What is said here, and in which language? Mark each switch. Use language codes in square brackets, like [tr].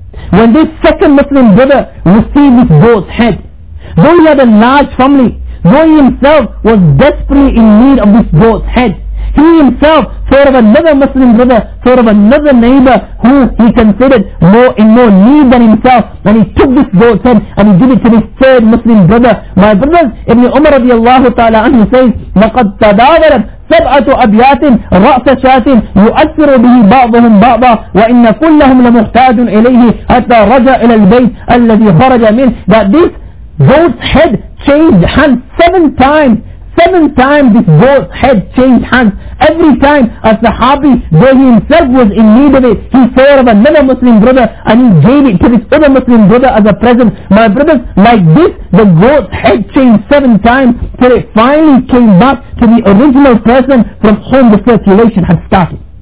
[en] When this second Muslim brother received this goat's head, though he had a large family, though he himself was desperately in need of this goat's head, he himself thought of another Muslim brother, thought of another neighbor who he considered more in more need than himself, and he took this goat's head and he gave it to this third Muslim brother. My brothers, Ibn Umar radiallahu ta'ala anhu says, [ar] لَقَدْ تَدَاوَرَتْ سبعة أبيات رأس شات يؤثر به بعضهم بعضا وإن كلهم لمحتاج إليه حتى رجع إلى البيت الذي خرج منه. [en] That this goat's head changed hands seven times. This goat's head changed hands every time. A Sahabi, though he himself was in need of it, he saw it of another Muslim brother and he gave it to this other Muslim brother as a present. My brothers, like this, the goat's head changed seven times till it finally came back to the original person from whom the circulation had started.